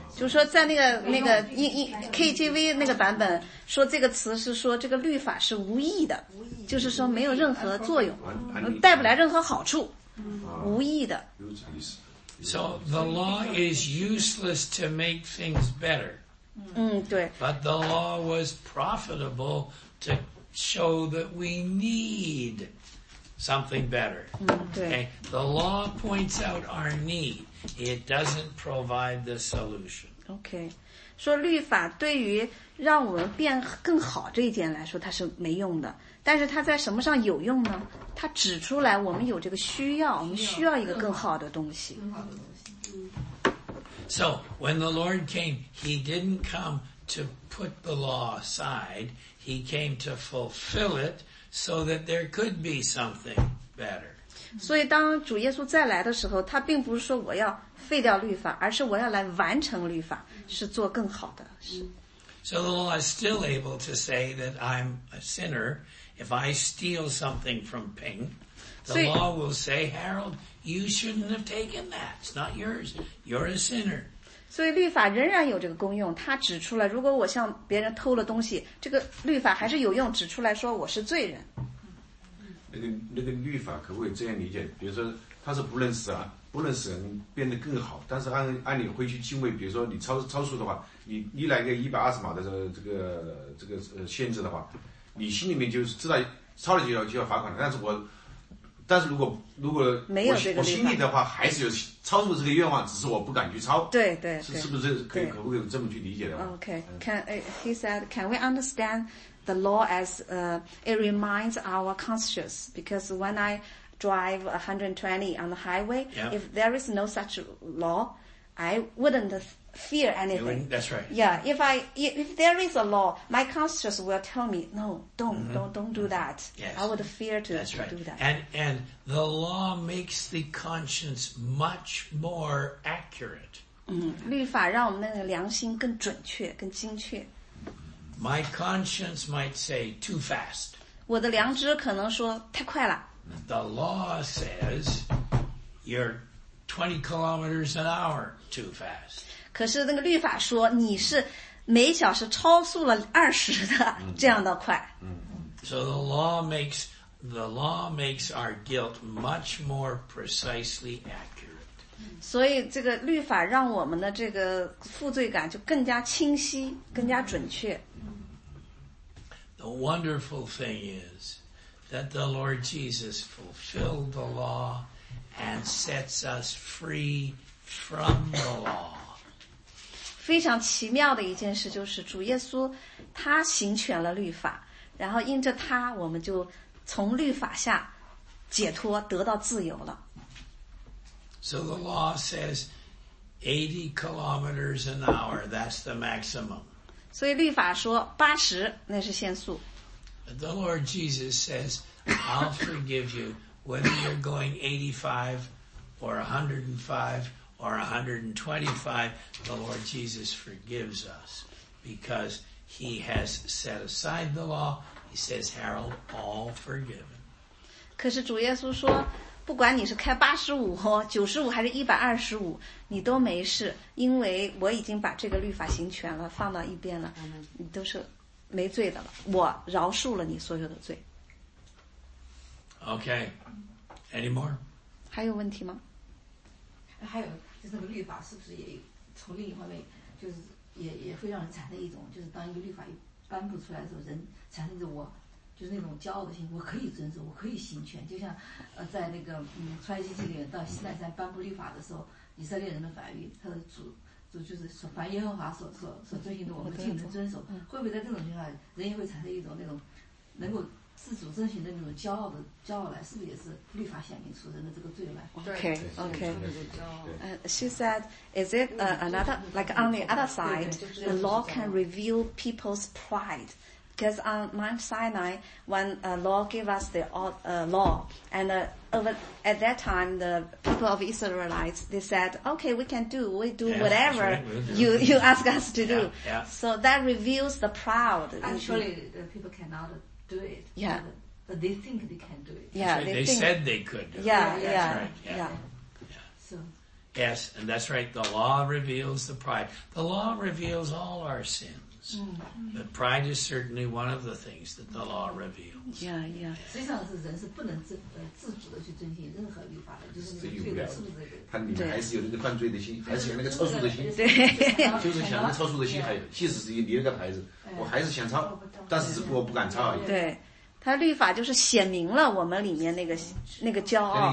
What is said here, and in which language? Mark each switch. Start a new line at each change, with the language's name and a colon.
Chinese: 就是说，在那个 KJV 那个版本说这个词是说这个律法是无益的，就是说没有任何作用，带不来任何好处，无益的。
English: So the law is useless to make things better.
Chinese: 对。
English: But the law was profitable to show that we need something better.
Chinese: 对。
English: Okay? The law points out our need. It doesn't provide the solution. Okay.
Chinese: 说律法对于让我们变更好这一点来说它是没用的。但是它在什么上有用呢？它指出来我们有这个需要，我们需要一个更好的东西。
English: So, when the Lord came, He didn't come to put the law aside. He came to fulfill it so that there could be something better.
Chinese: 所以当主耶稣再来的时候，他并不是说我要废掉律法，而是我要来完成律法，是做更好的。
English: So the law is still able to say that I'm a sinner. If I steal something from Ping, the law will say, Harold,You shouldn't have taken that. It's not yours. You're a sinner.
Chinese: 所以律法仍然有这个功用。它指出来，如果我向别人偷了东西，这个律法还是有用，指出来说我是罪人。那个律法可不可以这样理解？比如说他是不认识啊，不认识人变得更好，但是按理会去敬畏。比如说你超速的话，你来个120码的这个限制的话，你心里面就是知道超了几条就要罚款的。但是如果没有这个我心里的话，还是有超速这个愿望，只是我不敢去超。对 对, 对，是不是可不可以这么去理解的
English: ？OK, he said, can we understand the law as it reminds our conscious? Because when I drive 120 on the highway,、 yeah. if there is no such law, I wouldn't fear anything. That's right. Yeah, if there is a law, my conscious will tell me, no, don't,、mm-hmm. don't do that. Yes. I would fear to, that's right. to do that. And the law makes the conscience much more accurate.
Chinese: 律法让我们那个良心更准确，更精确。
English: My conscience might say too fast.
Chinese: 我的良知可能说太快了。
English: The law says you're 20 kilometers an hour too fast.
Chinese: 可是那个律法说你是每小时超速了20的这样的快。
English: So the law makes our guilt much more precisely accurate.
Chinese: 所以这个律法让我们的这个负罪感就更加清晰，更加准确。
English: The wonderful thing is that the Lord Jesus fulfilled the law and sets us free from the law.
Chinese: 非常奇妙的一件事就是主耶稣他行全了律法，然后因着他我们就从律法下解脱，得到自由了。
English: So the law says 80 kilometers an hour, that's the maximum.
Chinese: 所以律法说80那是限速。
English: The Lord Jesus says, I'll forgive you whether you're going 85 or 105 or 125. The Lord Jesus forgives us because he has set aside the law. He says, Harold, all forgiven.
Chinese: 可是主耶稣说不管你是开85、95还是125你都没事，因为我已经把这个律法行全了，放到一边了，你都是没罪的了，我饶恕了你所有的罪。
English: Okay, any more?
Chinese: 还有问题吗？还有就是那个律法是不是也从另一方面，就是也会让人产生一种，就是当一个律法一颁布出来的时候，人产生着我就是那种骄傲的心，我可以遵守，我可以行权。就像在那个出埃及记里面到西奈山颁布律法的时候，以色列人的反应，他的主。
English: She said, is it another, like on the other side, the law can reveal people's pride? Because on Mount Sinai, when law gave us the law, and over, at that time, the people of Israelites, they said, okay, we can do, we do yeah, whatever right, you ask us to do. Yeah, yeah. So that reveals the proud. Actually, the people cannot do it. Yeah. But they think they can do it. Yeah, right. they said they could do yeah, it. Yeah, that's yeah, right. yeah, yeah. So. Yes, and that's right. The law reveals the pride. The law reveals all our sins. Mm-hmm. The pride is certainly one of the things that the law reveals. Yeah, yeah.
Chinese: 实际上是人是不能自主的去遵循任何律法的，就是那个罪的素质。他里面还是有那个犯罪的心，还是有那个超速的心。对，就是想那超速的心，还有即使是离了个牌子，我还是想超，但是只不过不敢超而已。对，他律法就是显明了我们里面那个骄傲，